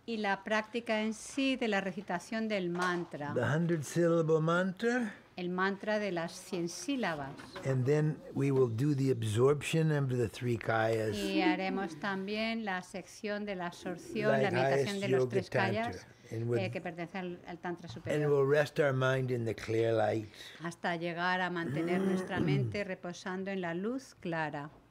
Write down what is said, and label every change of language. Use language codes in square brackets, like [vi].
[es] Y la práctica en sí de la recitación del mantra. [en] The 100-syllable mantra. [es] El mantra de las 100 sílabas. [en] And then we will do the absorption of the three kayas. [es] Y haremos también la sección de la absorción, like la meditación de los tres kayas. Que pertenece al tantra superior. [en] And we'll rest our mind in the clear light. [es] Hasta llegar a mantener nuestra mente reposando en la luz clara.